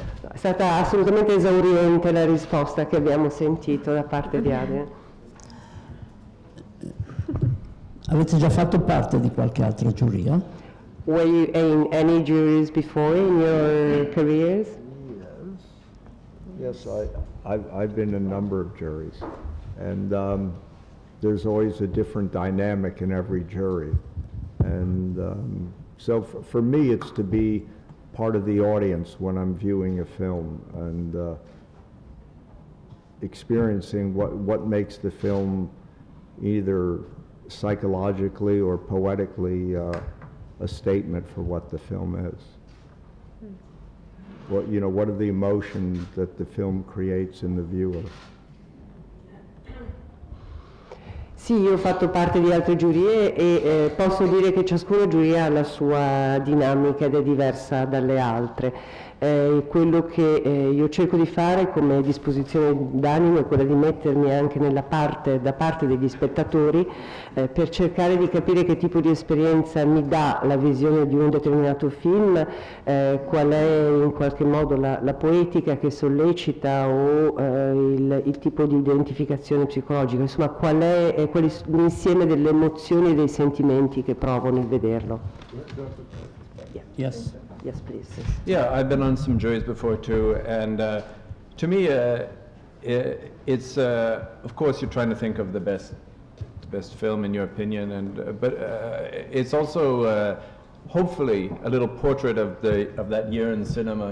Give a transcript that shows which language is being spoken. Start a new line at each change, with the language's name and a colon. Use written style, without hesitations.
Italian: È stata assolutamente esauriente la risposta che abbiamo sentito da parte di Adrian. Avete già fatto parte di qualche altra giuria?
English: Were you in any juries before in your careers? Yes. Yes, I've been in a number of juries. And there's always a different dynamic in every jury. And so for me, it's to be part of the audience when I'm viewing a film and experiencing what makes the film either psychologically or poetically a statement for what the film is. What, you know, what are the emotions that the film creates in the viewer?
Italian: Sì, io ho fatto parte di altre giurie e posso dire che ciascuna giuria ha la sua dinamica ed è diversa dalle altre. Quello che io cerco di fare come disposizione d'animo è quella di mettermi anche nella parte, da parte degli spettatori, per cercare di capire che tipo di esperienza mi dà la visione di un determinato film, qual è in qualche modo la poetica che sollecita o il tipo di identificazione psicologica, insomma qual è l'insieme delle emozioni e dei sentimenti che provo nel vederlo.
English: Yeah. Yes. Yes, please. Yeah, I've been on some juries before too, and to me, it's of course you're trying to think of the best film in your opinion, and but it's also hopefully a little portrait of that year in cinema.